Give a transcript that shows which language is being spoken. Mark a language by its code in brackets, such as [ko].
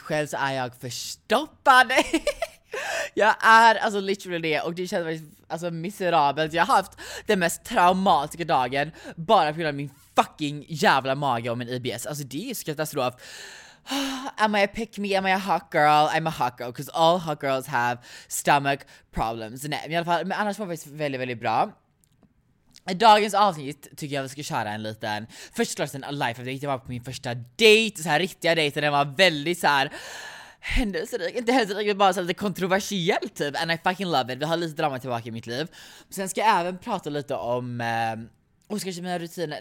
[sv] Själv så är jag förstoppad. Jag är alltså literally det, och det känns alltså miserabelt. Jag har haft den mest traumatiska dagen bara på grund av min fucking jävla mage och min IBS. Alltså det är ju katastrof. [en] Am I a pick me? Am I a hot girl? I'm a hot girl, because all hot girls have stomach problems. [sv] Nej, men i alla fall, men annars var det väldigt väldigt bra. Dagens avsnitt tycker jag vi ska köra en liten [en] first class in life. [sv] Jag var på min första date, så här riktiga dejten. Den var väldigt så här händelserik, inte händelserik, men bara så lite kontroversiell typ. [en] And I fucking love it. [sv] Vi har lite drama tillbaka i mitt liv. Sen ska jag även prata lite om kanske mina rutiner.